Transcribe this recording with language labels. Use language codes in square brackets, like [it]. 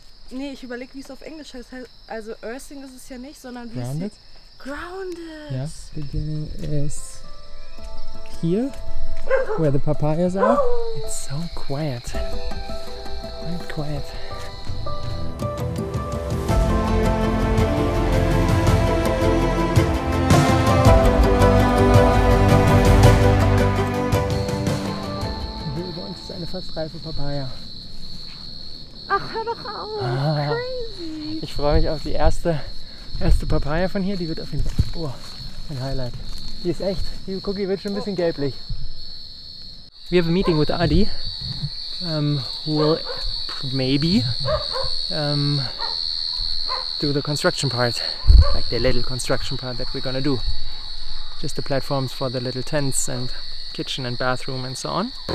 [de] Nee, ich überlege, wie es auf Englisch heißt. Also earthing ist es ja nicht, sondern wie [en] grounded? [de] Ist es? Grounded. [en] Yeah, beginning is here, where the papayas are. It's so quiet. Quite quiet. [de] Hier über uns ist eine fast reife Papaya. Ach, hör doch auf! Ah, crazy! Ich freue mich auf die erste Papaya von hier. Die wird auf jeden Fall ein Highlight. Die ist echt, die Cookie wird schon ein bisschen gelblich. [en] We have a meeting with Adi, who will maybe do the construction part. Like the little construction part that we're gonna do. Just the platforms for the little tents and kitchen and bathroom and so on.